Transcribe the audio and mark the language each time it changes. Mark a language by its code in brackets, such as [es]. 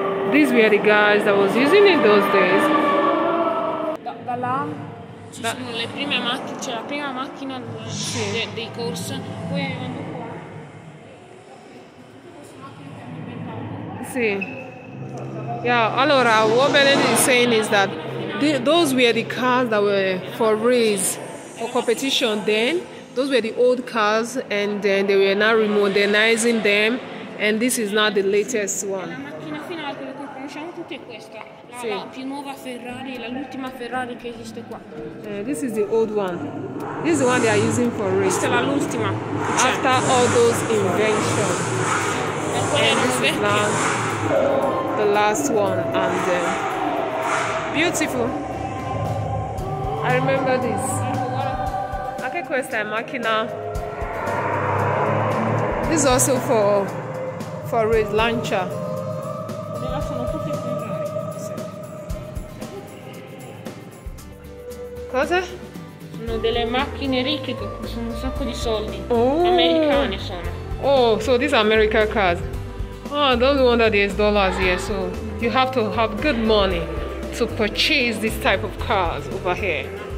[en] these were the guys that was using in those days. [it] Ci sono le prime macchine, c'è la prima macchina dei corsi, poi arrivando qua. Sì. [en] Yeah, allora, what Benedict is saying is that those were the cars that were for race or competition then. Those were the old cars and then they were now modernizing them and this is now the latest one. [it] La macchina finale, quella che conosciamo tutti è questa. La più nuova Ferrari, l'ultima Ferrari che esiste qua. [en] This is the old one. This is the one they are using for race. [it] Questa è l'ultima. [en] After all those inventions. The last one and beautiful. I remember this. [it] Anche questa è macchina. [en] This is also for red lancia. [it] Cosa? Sono delle macchine ricche che costano un sacco di soldi. Americane sono. [en] Oh, so these are American cars. Oh, don't wonder there's dollars here, so you have to have good money to purchase this type of cars over here.